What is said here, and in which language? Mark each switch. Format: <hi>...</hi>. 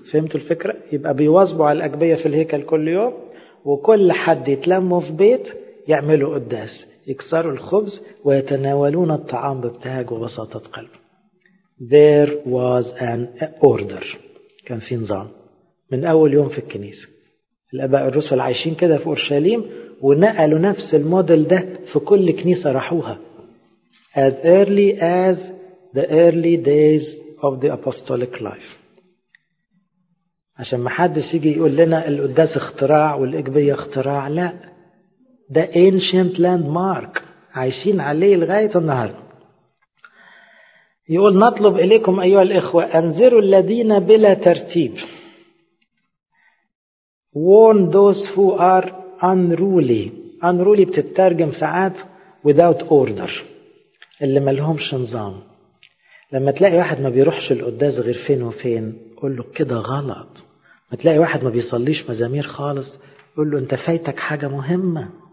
<ar>فهمتوا الفكرة؟ يبقى بيواظبوا على الأجبية في الهيكل كل يوم، وكل حد يتلموا في بيت يعملوا قداس، يكسروا الخبز ويتناولون الطعام بابتهاج وبساطة قلب.</ar> <en>There was an order.</en> <ar>كان في نظام من أول يوم في الكنيسة. الأباء الرسل عايشين كده في أورشليم ونقلوا نفس الموديل ده في كل كنيسة راحوها.</ar> <en>As early as the early days of the apostolic life.</en> <ar>عشان ما حدش يجي يقول لنا القداس اختراع والإجبية اختراع، لا، ده ancient landmark عايشين عليه لغاية النهاردة. يقول نطلب إليكم أيها الإخوة أنذروا الذين بلا ترتيب.</ar> <en>Warn those who are unruly.</en> <ar>Unruly بتترجم ساعات</ar> <en>without order،</en> <ar>اللي ملهمش نظام. لما تلاقي واحد ما بيروحش القداس غير فين وفين، قول له كده غلط. ما تلاقي واحد ما بيصليش مزامير خالص، قول له انت فايتك حاجة مهمة.</ar>